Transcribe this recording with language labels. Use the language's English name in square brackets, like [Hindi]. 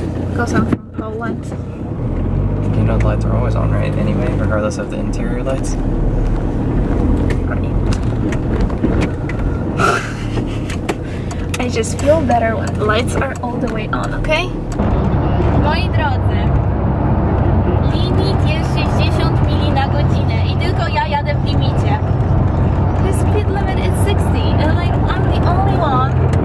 [English] Because I'm from Poland. You know the lights are always on, right? Anyway, regardless of the interior lights. I just feel better when the lights are all the way on, okay? [Polish] Moi drodzy, limit jest 60 mili na godzinę i tylko ja jadę w limicie. [English] The speed limit is 60 and like I'm the only one.